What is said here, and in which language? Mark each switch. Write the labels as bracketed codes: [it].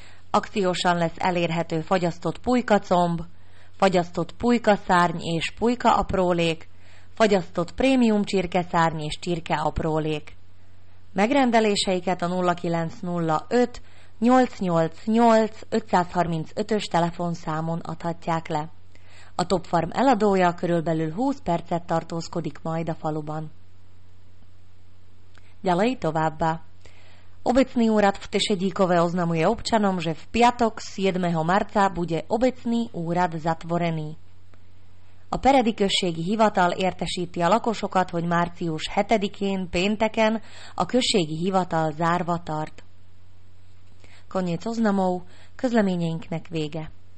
[hu] Akciósan lesz elérhető fagyasztott pulykacomb, fagyasztott pulykaszárny és pulyka aprólék, fagyasztott prémium csirkeszárny és csirke aprólék. Megrendeléseiket a 0905 888 535-ös telefonszámon adhatják le. A Topfarm eladója körülbelül 20 percet tartózkodik majd a faluban. [sk] Ďalej [hu] továbbá. [sk] Obecný úrad v Tešedíkove oznamuje občanom, že v piatok 7. marca bude obecný úrad zatvorený. [hu] A Peredi községi hivatal értesíti a lakosokat, hogy március 7-én pénteken a községi hivatal zárva tart. [sk] Koniec oznamov, [hu] közleményeinknek vége.